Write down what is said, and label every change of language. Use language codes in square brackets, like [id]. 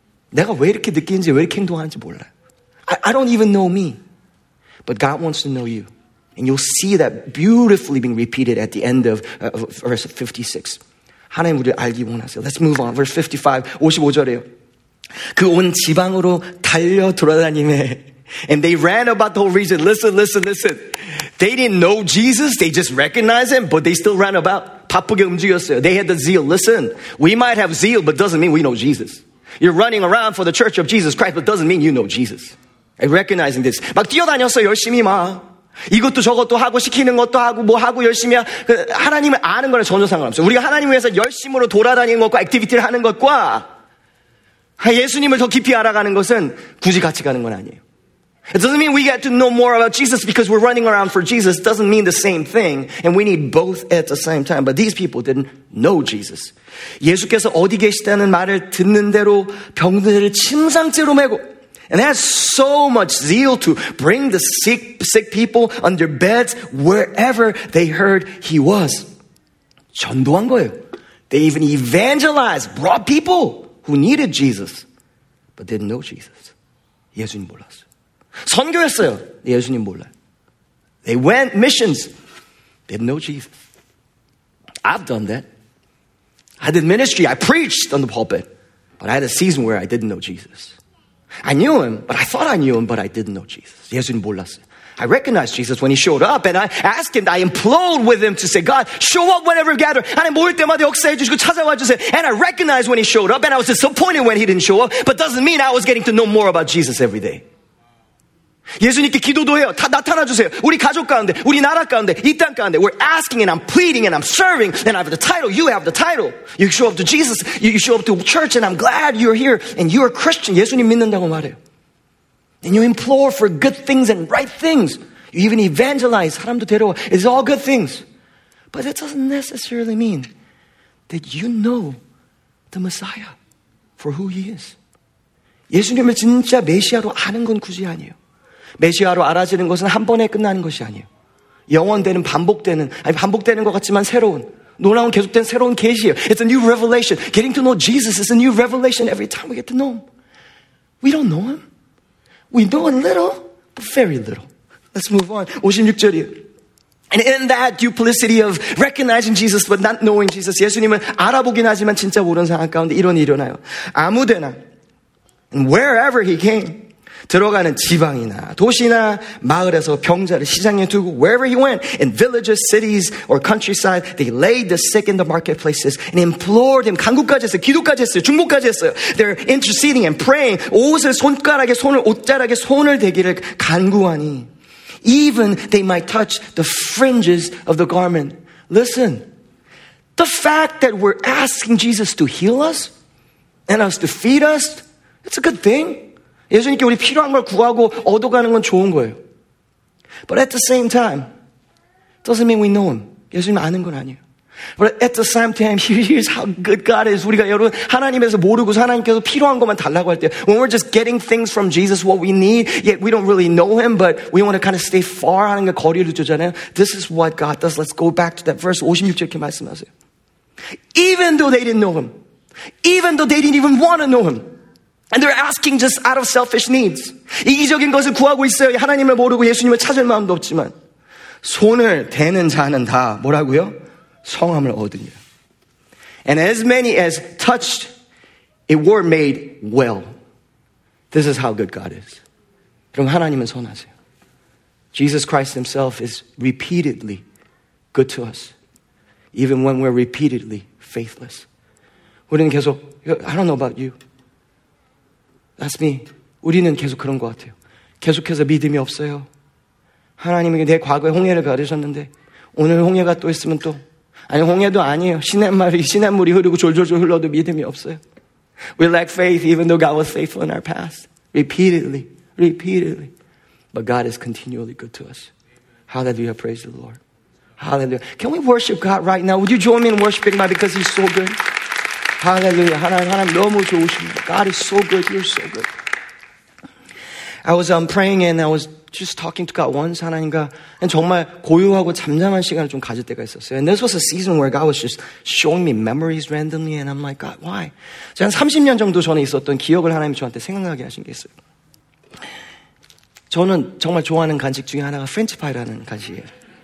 [ko] 내가 왜 이렇게 느끼는지, 왜 이렇게 행동하는지 몰라. [en] I don't even know me. But God wants to know you. And you'll see that beautifully being repeated at the end of verse 56. [ko] 하나님 우리를 알기 원하세요. [en] Let's move on. Verse 55, [ko] 55절이에요. 그 온 지방으로 달려 돌아다니네. [en] And they ran about the whole region. Listen, listen, listen. They didn't know Jesus. They just recognized him, but they still ran about. [ko] 바쁘게 움직였어요. [en] They had the zeal. Listen, we might have zeal, but doesn't mean we know Jesus. You're running around for the church of Jesus Christ, but doesn't mean you know Jesus. I'm recognizing this. [ko] 막 뛰어다녔어, 열심히 막. 이것도 저것도 하고, 시키는 것도 하고, 뭐 하고, 열심히. 하나님을 아는 거랑 전혀 상관없어. 우리가 하나님을 위해서 열심으로 돌아다니는 것과, 액티비티를 하는 것과, 예수님을 더 깊이 알아가는 것은 굳이 같이 가는 건 아니에요. [en] It doesn't mean we get to know more about Jesus because we're running around for Jesus. It doesn't mean the same thing. And we need both at the same time. But these people didn't know Jesus. [ko] 예수께서 어디 계시다는 말을 듣는 대로 병들을 침상째로 메고. [en] And they had so much zeal to bring the sick people under beds wherever they heard he was. [ko] 전도한 거예요. [en] They even evangelized, brought people who needed Jesus, but didn't know Jesus. [ko] 예수님 몰랐어요. 선교했어요. 예수님 몰라요. [en] They went missions. Didn't know Jesus. I've done that. I did ministry. I preached on the pulpit. But I had a season where I didn't know Jesus. I knew him, but I thought I knew him, but I didn't know Jesus. [ko] 예수님 몰랐어요. [en] I recognized Jesus when he showed up, and I asked him, I implored with him to say, God, show up whenever you gather. [ko] 하나님 모일 때마다 역사해 주시고 찾아와 주세요. [en] And I recognized when he showed up, and I was disappointed when he didn't show up, but doesn't mean I was getting to know more about Jesus every day. [ko] 예수님께 기도도 해요. 다 나타나주세요. 우리 가족 가운데, 우리 나라 가운데, 이 땅 가운데. [en] We're asking and I'm pleading and I'm serving. And I have the title. You have the title. You show up to Jesus. You show up to church and I'm glad you're here. And you're a Christian. [ko] 예수님 믿는다고 말해요. [en] And you implore for good things and right things. You even evangelize. [ko] 사람도 데려와. [en] It's all good things. But it doesn't necessarily mean that you know the Messiah for who he is. [ko] 예수님을 진짜 메시아로 아는 건 굳이 아니에요. 메시아로 알아지는 것은 한 번에 끝나는 것이 아니에요. 영원되는, 반복되는, 아니 반복되는 것 같지만 새로운, 놀라운 계속된 새로운 계시예요. [en] It's a new revelation. Getting to know Jesus is a new revelation every time we get to know him. We don't know him. We know a little, but very little. Let's move on. [ko] 56절이에요. [en] And in that duplicity of recognizing Jesus but not knowing Jesus, [ko] 예수님은 알아보긴 하지만 진짜 모르는 상황 가운데 이런 일이 일어나요. 아무데나, [en] and wherever he came, [ko] 들어가는 지방이나 도시나 마을에서 병자를 시장에 두고 [en] wherever he went, in villages, cities, or countryside, they laid the sick in the marketplaces and implored him, [ko] 간구까지 했어요, 기도까지 했어요, 중보까지 했어요. [en] They're interceding and praying, [ko] 옷을 손가락에 손을, 옷자락에 손을 대기를 간구하니, [en] even they might touch the fringes of the garment. Listen, the fact that we're asking Jesus to heal us and us to feed us, it's a good thing. [ko] 예수님께 우리 필요한 걸 구하고 얻어가는 건 좋은 거예요. [en] But at the same time, doesn't mean we know him. [ko] 예수님 아는 건 아니에요. [en] But at the same time, here's how good God is. [ko] 우리가 여러분 하나님에서 모르고 하나님께서 필요한 것만 달라고 할 때, [en] when we're just getting things from Jesus, what we need, yet we don't really know him, but we want to kind of stay far [ko] 하는 게 거리를 두잖아요. [en] This is what God does. Let's go back to that verse [ko] 56절 이렇게 말씀하세요. [en] Even though they didn't know him, even though they didn't even want to know him, and they're asking just out of selfish needs. [ko] 이기적인 것을 구하고 있어요. 하나님을 모르고 예수님을 찾을 마음도 없지만. 손을 대는 자는 다 뭐라고요? 성함을 얻으니라. [en] And as many as touched, it were made well. This is how good God is. [ko] 그럼 하나님은 선하세요. [en] Jesus Christ himself is repeatedly good to us. Even when we're repeatedly faithless. [ko] 우리는 계속, [en] I don't know about you. That's me. [ko] 우리는 계속 그런 것 같아요. 계속해서 믿음이 없어요. 하나님에게 내 과거에 홍해를 가르셨는데 오늘 홍해가 또 있으면 또 아니 홍해도 아니에요. 시냇물이 흐르고 졸졸졸 흘러도 믿음이 없어요. [en] We lack faith even though God was faithful in our past. Repeatedly. But God is continually good to us. Hallelujah. Praise the Lord. Hallelujah. Can we worship God right now? Would you join me in worshiping God because He's so good? Hallelujah. [ko] 하나님 너무 좋으십니다. [en] God is so good. You're so good. I was praying and I was just talking to God once, [ko] 하나님과 정말 고요하고 잠잠한 시간을 좀 가질 때가 있었어요. [en] And this was a season where God was just showing me memories randomly and I'm like, God, why? [ko] 제가 한 30년 정도 전에 있었던 기억을 하나님이 저한테 생각나게 하신 게 있어요. 저는 정말 좋아하는 간식 중에 하나가 프렌치파이라는 간식이에요.